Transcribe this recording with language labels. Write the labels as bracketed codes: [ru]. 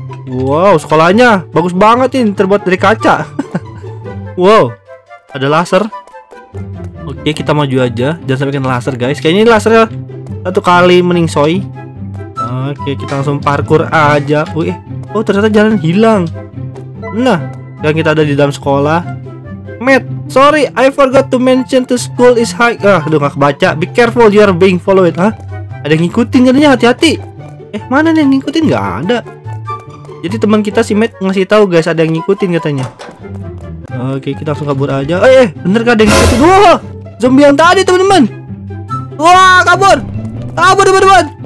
[id] Wow, sekolahnya bagus banget ini, terbuat dari kaca. Wow, ada laser. Oke, kita maju aja, jangan sampai kena laser guys. Kayaknya ini lasernya satu kali meningsoi. Oke, kita langsung parkour aja. Wih, oh ternyata jalan hilang. Nah, sekarang kita ada di dalam sekolah. [en] Matt, sorry, I forgot to mention the school is high. [id] Ah, udah gak kebaca. [en] Be careful, you are being followed. [id] Hah? Ada yang ngikutin katanya, hati-hati. Eh, mana nih yang ngikutin? Gak ada. Jadi teman kita si Matt ngasih tahu guys, ada yang ngikutin katanya. Oke, kita langsung kabur aja. Eh, bener gak ada yang ngikutin? Wah, zombie yang tadi teman-teman. Wah, kabur. Kabur teman-teman.